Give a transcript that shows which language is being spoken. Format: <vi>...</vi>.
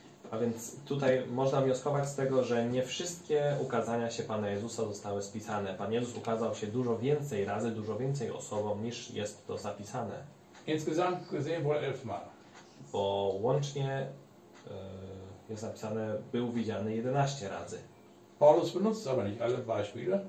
<pl>A więc tutaj można wnioskować z tego, że nie wszystkie ukazania się Pana Jezusa zostały spisane. Pan Jezus ukazał się dużo więcej razy, dużo więcej osobom, niż jest to zapisane.</pl> <de>Insgesamt gesehen wohl 11 Mal.</de> <pl>Bo łącznie jest napisane, był widziany 11 razy.</pl> <de>Paulus benutzt aber nicht alle Beispiele.</de>